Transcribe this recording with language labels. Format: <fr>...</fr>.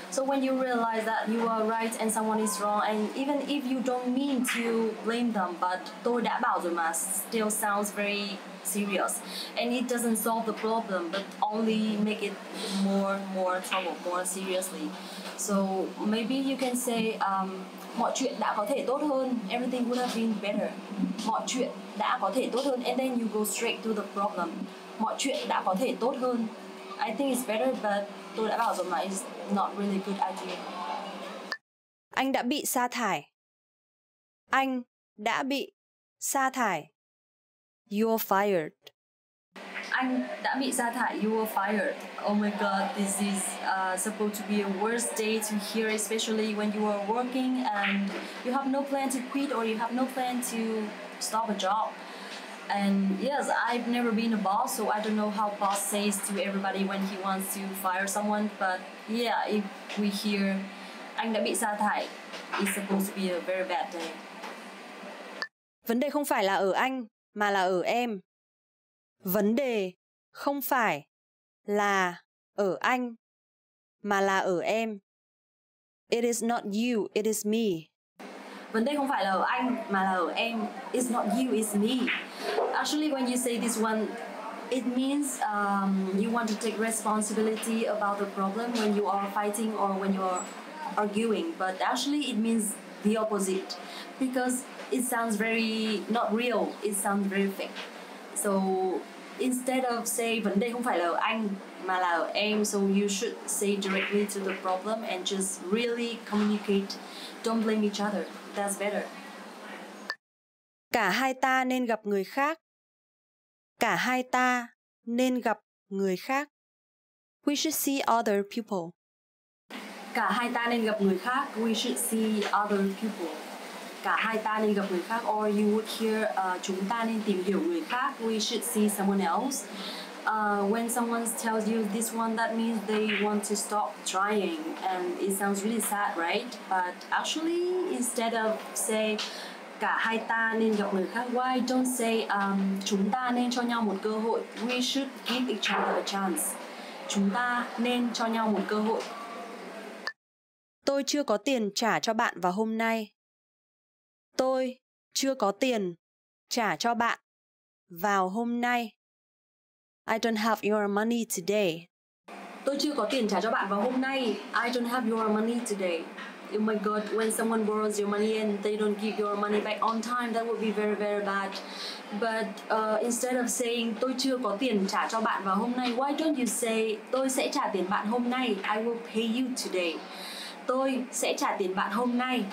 <en>So when you realize that you are right and someone is wrong, and even if you don't mean to blame them, but</en> <vi>tôi đã bảo rồi mà</vi> <en>still sounds very serious. And it doesn't solve the problem, but only make it more trouble, more seriously. So maybe you can say</en> <vi>mọi chuyện đã có thể tốt hơn.</vi> <en>Everything would have been better.</en> <vi>Mọi chuyện đã có thể tốt hơn.</vi> <en>And then you go straight to the problem.</en> <vi>Mọi chuyện đã có thể tốt hơn.</vi> <en>I think it's better, but</en> <vi>tôi đã bảo rồi mà,</vi> <en>it's not really good idea.</en> <vi>Anh đã bị sa thải. Anh đã bị sa thải.</vi> <en>You're fired.</en> <vi>Anh đã bị sa thải,</vi> <en>you were fired. Oh my god, this is supposed to be a worst day to hear, especially when you are working and you have no plan to quit or you have no plan to stop a job. And yes, I've never been a boss, so I don't know how boss says to everybody when he wants to fire someone, but yeah, if we hear</en> <vi>anh đã bị sa thải,</vi> <en>it's supposed to be a very bad day.</en> <vi>Vấn đề không phải là ở anh, mà là ở em. Vấn đề không phải là ở anh, mà là ở em.</vi> <en>It is not you, it is me.</en> <vi>Vấn đề không phải là ở anh, mà là ở em.</vi> <en>It's not you, it's me. Actually, when you say this one, it means you want to take responsibility about the problem when you are fighting or when you are arguing. But actually, it means the opposite, because it sounds very not real. It sounds very fake. So instead of saying</en> <vi>vấn đề không phải là anh mà là em,</vi> <en>so you should say directly to the problem and just really communicate. Don't blame each other. That's better.</en> <vi>Cả hai ta nên gặp người khác. Cả hai ta nên gặp người khác.</vi> <en>We should see other people.</en> <vi>Cả hai ta nên gặp người khác.</vi> <en>We should see other people.</en> <vi>Cả hai ta nên gặp người khác,</vi> <en>or you would hear</en> <vi>chúng ta nên tìm hiểu người khác,</vi> <en>we should see someone else. When someone tells you this one, that means they want to stop trying, and it sounds really sad, right? But actually, instead of say</en> <vi>cả hai ta nên gặp người khác,</vi> <en>why don't say</en> <vi>chúng ta nên cho nhau một cơ hội,</vi> <en>we should give each other a chance.</en> <vi>Chúng ta nên cho nhau một cơ hội. Tôi chưa có tiền trả cho bạn vào hôm nay. Tôi chưa có tiền trả cho bạn vào hôm nay.</vi> <en>I don't have your money today.</en> <vi>Tôi chưa có tiền trả cho bạn vào hôm nay.</vi> <en>I don't have your money today. Oh my god, when someone borrows your money and they don't give your money back on time, that would be very, very bad. But instead of saying</en> <vi>tôi chưa có tiền trả cho bạn vào hôm nay,</vi> <en>why don't you say</en> <vi>tôi sẽ trả tiền bạn hôm nay.</vi> <en>I will pay you today.</en> <vi>Tôi sẽ trả tiền bạn hôm nay.</vi>